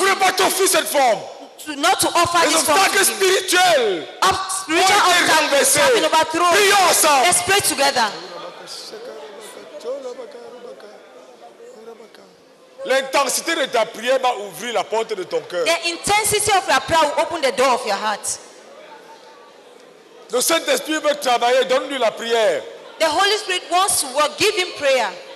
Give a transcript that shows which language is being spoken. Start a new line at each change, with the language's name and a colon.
French: Vous ne pouvez pas t'offrir cette forme.
English: Not to offer
French: les obstacles spirituels ont été renversés. Prions ensemble.
English: Let's pray together.
French: L'intensité de ta prière va ouvrir la porte de ton cœur.
English: The intensity of your prayer will open the door of your heart.
French: Le Saint-Esprit veut travailler, donne-lui la prière.
English: The Holy Spirit wants to work, give him prayer.